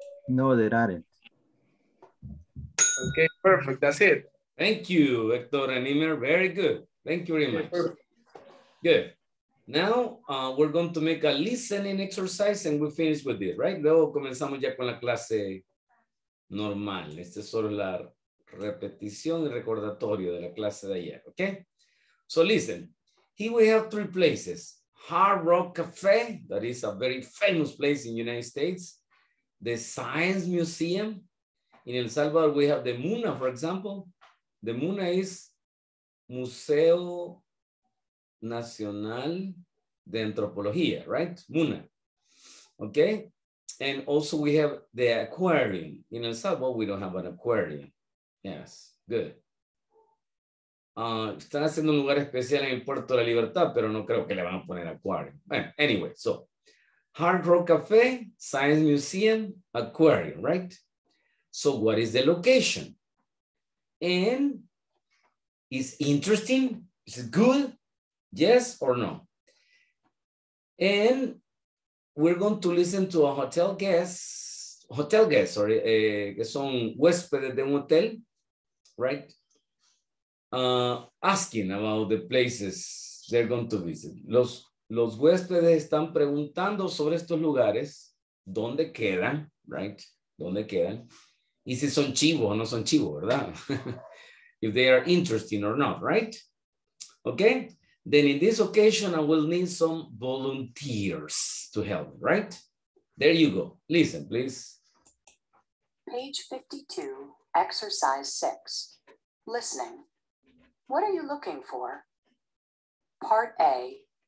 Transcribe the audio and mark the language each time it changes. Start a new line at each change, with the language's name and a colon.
English: No, there aren't. Okay, perfect. That's it. Thank you, Hector and Imer. Very good. Thank you very much. Good. Now, we're going to make a listening exercise and we'll finish with it, right?
Spanish: Luego comenzamos ya con la clase normal. Este es solo la repetición y recordatorio de la clase de ayer, okay?
English: So listen, here we have three places. Hard Rock Cafe, that is a very famous place in the United States. The Science Museum. In El Salvador, we have the MUNA, for example. The MUNA is Museo Nacional de Antropología, right? MUNA. Okay. And also we have the aquarium. In El Salvador, we don't have an aquarium. Yes. Good.
Spanish: Están haciendo un lugar especial en el Puerto de la Libertad, pero no creo que le van a poner aquarium.
English: Anyway, so Hard Rock Cafe, Science Museum, aquarium, right? So what is the location? And is interesting? Is it good? Yes or no? And we're going to listen to a hotel guest,
Spanish: que son huéspedes de un hotel,
English: right? Asking about the places they're going to visit.
Spanish: Los huéspedes están preguntando sobre estos lugares, dónde quedan, right? Dónde quedan. Y si son chivos o no son chivos, ¿verdad?
English: If they are interesting or not, right? Okay. Then in this occasion, I will need some volunteers to help, right? There you go. Listen, please. Page 52, exercise 6. Listening. What are you looking for? Part A.